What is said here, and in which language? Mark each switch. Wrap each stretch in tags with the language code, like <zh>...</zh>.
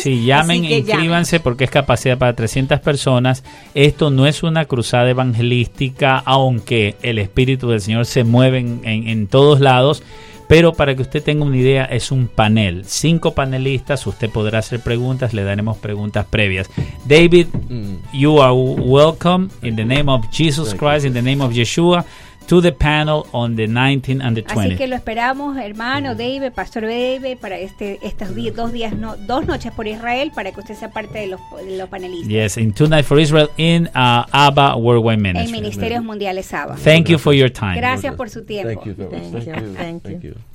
<es>Sí, llamen, inscríbanse, porque es capacidad para 300 personas. Esto no es una cruzada evangelística, aunque el Espíritu del Señor se mueve en todos lados, pero para que usted tenga una idea, es un panel, 5 panelistas. Usted podrá hacer preguntas, le daremos preguntas previas.</es> <en>David, you are welcome in the name of Jesus Christ, in the name of Yeshua, to the panel on the 19th and the 20th.</en> <es>Así que lo esperamos, hermano David, Pastor David, para dos noches por Israel, para que usted sea parte de los panelistas.</es> <en>Yes, in 2 nights for Israel in ABBA Worldwide Ministry.</en> <es>En Ministerios Mundiales ABBA.</es> <en>Thank you for your time.</en> <es>Gracias por su tiempo.</es> <en>Thank you.</en>